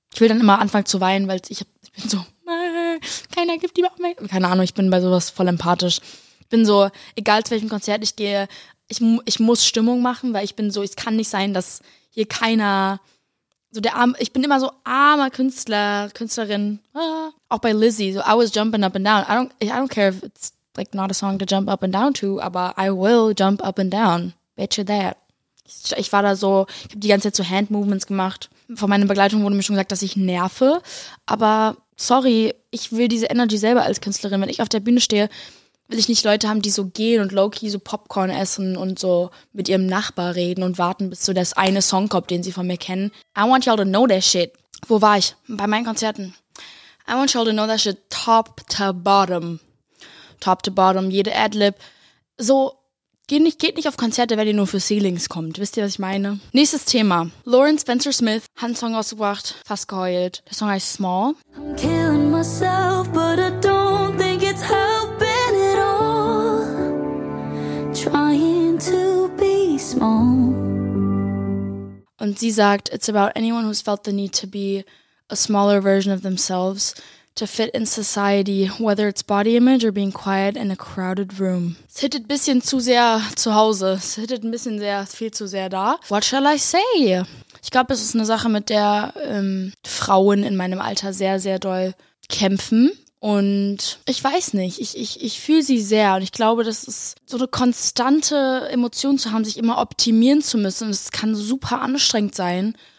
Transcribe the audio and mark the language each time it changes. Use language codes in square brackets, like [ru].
[de] Ich will dann immer anfangen zu weinen, weil ich bin so, keiner gibt die Aufmerksamkeit. Keine Ahnung, ich bin bei sowas voll empathisch. Ich bin so, egal zu welchem Konzert ich gehe, ich muss Stimmung machen, weil ich bin so, es kann nicht sein, dass hier keiner, so der arme, ich bin immer so armer Künstler, Künstlerin. Auch bei Lizzy, [en] so I was jumping up and down. I don't care if it's like not a song to jump up and down to, [de] aber [en] I will jump up and down. Bet you that. [de] Ich war da so, ich habe die ganze Zeit so Handmovements gemacht. Von meiner Begleitung wurde mir schon gesagt, dass ich nerve. Aber sorry, ich will diese Energy selber als Künstlerin. Wenn ich auf der Bühne stehe, will ich nicht Leute haben, die so gehen und low-key so Popcorn essen und so mit ihrem Nachbar reden und warten, bis so das eine Song kommt, den sie von mir kennen. [en] I want y'all to know that shit. [de] Wo war ich? Bei meinen Konzerten. [en] I want y'all to know that shit top to bottom. Top to bottom, [de] jede Adlib. So, geht nicht auf Konzerte, wenn ihr nur für Ceilings kommt. Wisst ihr, was ich meine? Nächstes Thema. Lauren Spencer Smith hat einen Song rausgebracht. Fast geheult. Der Song heißt Small. [en] I'm killing myself, but I don't think it's helping at all. Trying to be small. [de] Und sie sagt, [en] it's about anyone who's felt the need to be a smaller version of themselves. To fit in society, whether it's body image or being quiet in a crowded room. [de] Es hittet ein bisschen zu sehr zu Hause. Es hittet ein bisschen sehr, viel zu sehr da. [en] What shall I say? [de] Ich glaube, es ist eine Sache, mit der Frauen in meinem Alter sehr, sehr doll kämpfen. Und ich weiß nicht, ich fühle sie sehr. Und ich glaube, das ist so eine konstante Emotion zu haben, sich immer optimieren zu müssen. Und es kann super anstrengend sein.